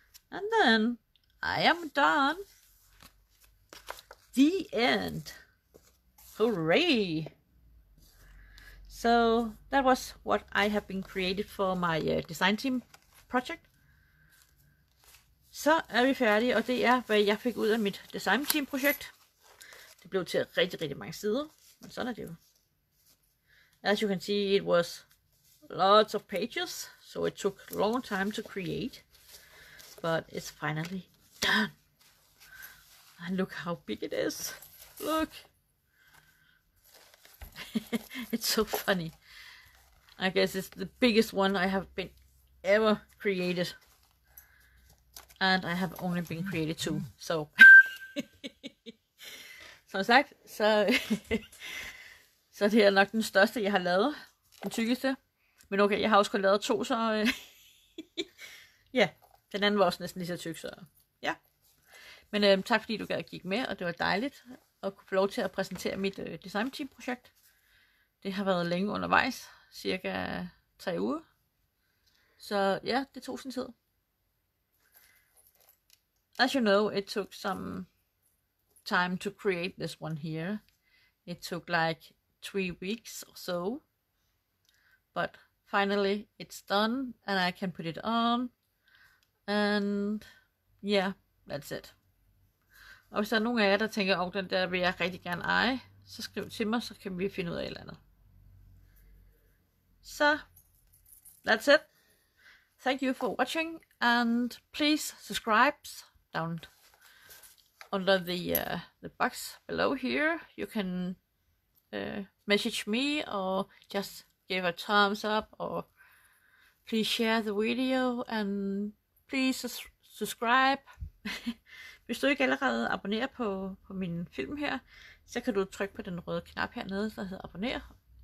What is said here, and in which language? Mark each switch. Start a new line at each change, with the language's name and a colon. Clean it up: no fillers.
English: And then I am done. The end. Hooray! So that was what I have been created for my design team project.
Danish: Så vi færdige, og det er, hvad jeg fik ud af mit design team projekt. Det blev til rigtig, rigtig mange sider, men sådan er det jo.
English: As you can see, it was lots of pages, so it took long time to create. But it's finally done. And look how big it is. Look! It's so funny. I guess it's the biggest one I have been ever created. And I have only been created two.
Danish: So som sagt, så det er nok den største, jeg har lavet. Den tykkeste. Men okay, jeg har også kun lavet to, så ja, den anden var også næsten lige så tyk. Så ja. Men tak fordi du gad at kigge med, og det var dejligt at kunne få lov til at præsentere mit design team projekt. Det har været længe undervejs, cirka 3 uger. Så ja, det tog sin tid.
English: As you know, it took some time to create this one here. It took like 3 weeks or so. But finally, it's done and I can put it on. And yeah, that's it.
Danish: Og hvis der er nogen af jer, der tænker, at den der vil jeg rigtig gerne eje, så skriv til mig, så kan vi finde ud af et eller andet.
English: So, that's it. Thank you for watching, and please subscribe down under the box below here. You can message me or just give a thumbs up, or please share the video and please subscribe.
Danish: Hvis du ikke allerede abonnerer på min film her, så kan du trykke på den røde knap hernede, der hedder abonner.